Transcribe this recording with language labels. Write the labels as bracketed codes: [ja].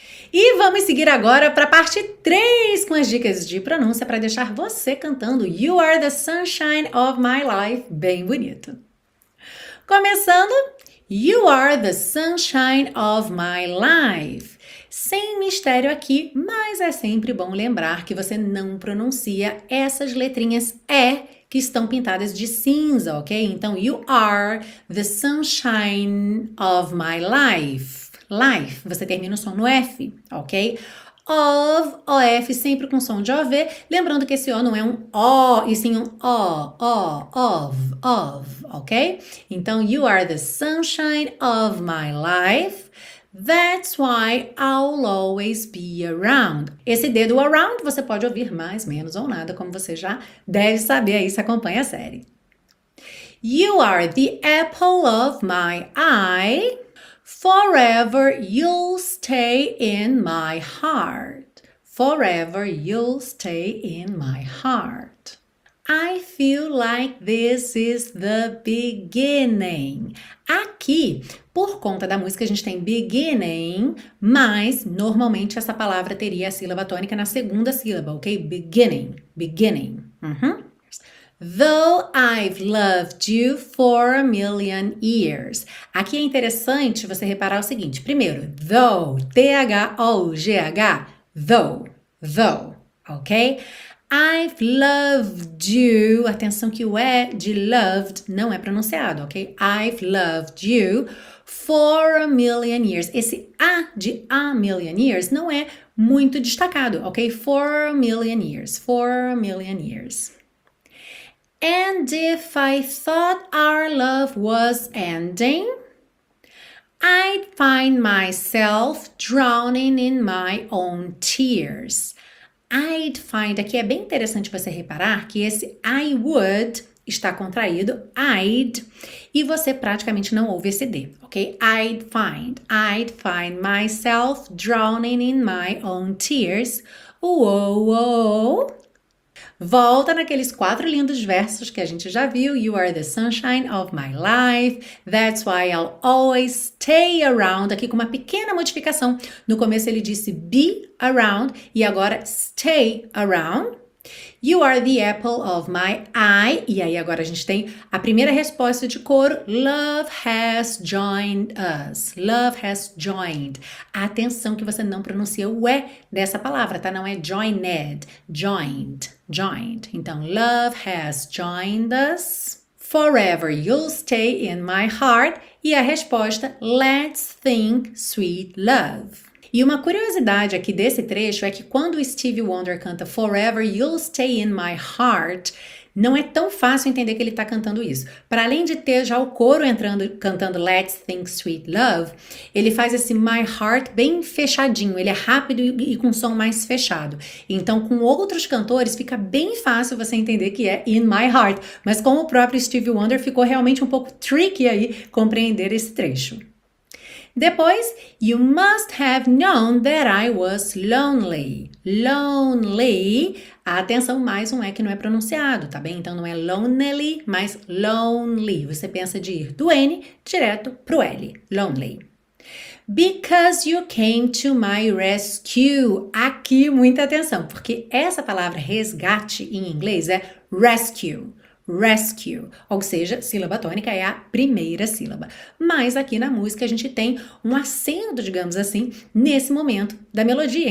[pt] E vamos seguir agora para a parte 3 com as dicas de pronúncia para deixar você cantando You Are the Sunshine of My Life bem bonito. Começando, [en] You Are the Sunshine of My Life. [pt] Sem mistério aqui, mas é sempre bom lembrar que você não pronuncia essas letrinhas E. Que estão pintadas de cinza, ok? Então, [en] you are the sunshine of my life. [pt] Life, você termina o som no F, ok? Of, OF, sempre com som de OV. Lembrando que esse O não é um O, e sim um O, of, ok? Então, [en] you are the sunshine of my life. That's why I'll always be around. [pt] Esse dedo around você pode ouvir mais, menos ou nada, como você já deve saber aí se acompanha a série. [en] You are the apple of my eye. Forever you'll stay in my heart. Forever you'll stay in my heart. I feel like this is the beginning. [pt] Aqui, por conta da música, a gente tem beginning, mas normalmente essa palavra teria a sílaba tônica na segunda sílaba, ok? [en] Beginning, beginning. Though I've loved you for a million years. [pt] Aqui é interessante você reparar o seguinte: primeiro, though, THOUGH, though, ok? [en] I've loved you. [pt] Atenção que o E de loved não é pronunciado, ok? [en] I've loved you for a million years. [pt] Esse A de [en] a million years [pt] não é muito destacado, ok? [en] For a million years. For a million years. And if I thought our love was ending, I'd find myself drowning in my own tears. [pt] I'd find, aqui é bem interessante você reparar que esse [en] I would [pt] está contraído, I'd, e você praticamente não ouve esse D, ok? [en] I'd find myself drowning in my own tears. Uou, uou. [pt] Volta naqueles quatro lindos versos que a gente já viu. [en] You are the sunshine of my life. That's why I'll always stay around. [pt] Aqui com uma pequena modificação. No começo ele disse [en] be around [pt] e agora [en] stay around. You are the apple of my eye. [pt] E aí agora a gente tem a primeira resposta de coro. [en] Love has joined us. Love has joined. [pt] Atenção que você não pronuncia o E dessa palavra, tá? Não é [en] joined. Joined. Joined. [pt] Então, [en] love has joined us. Forever you'll stay in my heart. [pt] E a resposta, [en] let's think sweet love. [pt] E uma curiosidade aqui desse trecho é que quando o Stevie Wonder canta [en] Forever you'll stay in my heart, [pt] não é tão fácil entender que ele está cantando isso. Para além de ter já o coro entrando cantando [en] Let's Think Sweet Love, [pt] ele faz esse [en] My Heart [pt] bem fechadinho. Ele é rápido e com som mais fechado. Então, com outros cantores, fica bem fácil você entender que é [en] In My Heart. [pt] Mas com o próprio Stevie Wonder, ficou realmente um pouco tricky aí compreender esse trecho. [en] Depois, you must have known that I was lonely. Lonely. [pt] Atenção, mais um E que não é pronunciado, tá bem? Então não é lonely, mas lonely. Você pensa de ir do N direto pro L. [en] Lonely. Because you came to my rescue. [pt] Aqui, muita atenção, porque essa palavra resgate em inglês é rescue. Rescue, ou seja, sílaba tônica é a primeira sílaba. Mas aqui na música a gente tem um acento, digamos assim, nesse momento da melodia.